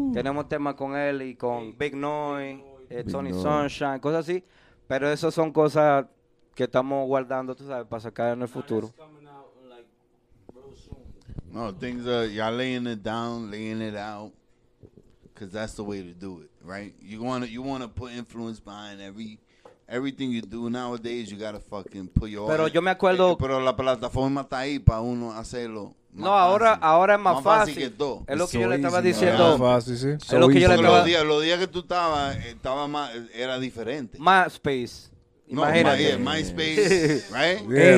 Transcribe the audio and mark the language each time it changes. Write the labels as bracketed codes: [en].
[es] Tenemos temas con él y con Big Noy, Tony Noy. Sunshine, cosas así. Pero eso son cosas que estamos guardando, tú sabes, para sacar en el futuro. [en] No, things are, y'all laying it down, laying it out, because that's the way to do it, right? You want to put influence behind everything you do nowadays, you got to fucking put your... [es] Pero yo me acuerdo... Pero la plataforma está ahí para uno hacerlo. No, ahora es más fácil. Que todo. Es lo que yo le estaba diciendo. Más fácil, sí. Es lo que yo le estaba... Los días que tú estabas, era diferente. MySpace. Imagínate. [en] No, MySpace, right? Yeah,